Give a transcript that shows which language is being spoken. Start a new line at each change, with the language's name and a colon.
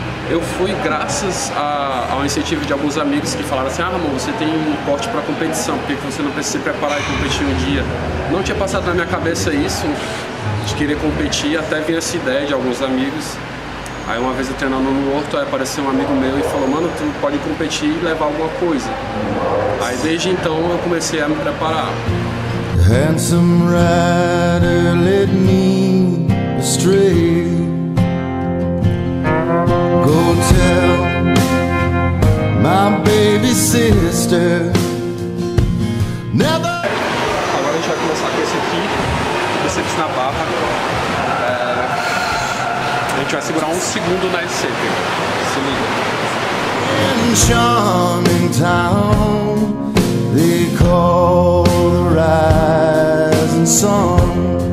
Portuguese: Eu fui graças ao incentivo de alguns amigos que falaram assim: ah, amor, você tem um porte para competição, por que você não precisa se preparar e competir um dia? Não tinha passado na minha cabeça isso, de querer competir, até vinha essa ideia de alguns amigos. Aí uma vez eu treinando no Horto, aí apareceu um amigo meu e falou: mano, tu pode competir e levar alguma coisa. Aí desde então eu comecei a me preparar.
English: Handsome rider led me astray. Go tell my baby sister. Never.
Portuguese: Agora a gente vai começar com esse aqui, bíceps na barra. A gente vai segurar um segundo na SCP. Se liga.
English: In charming town, they call the rising sun.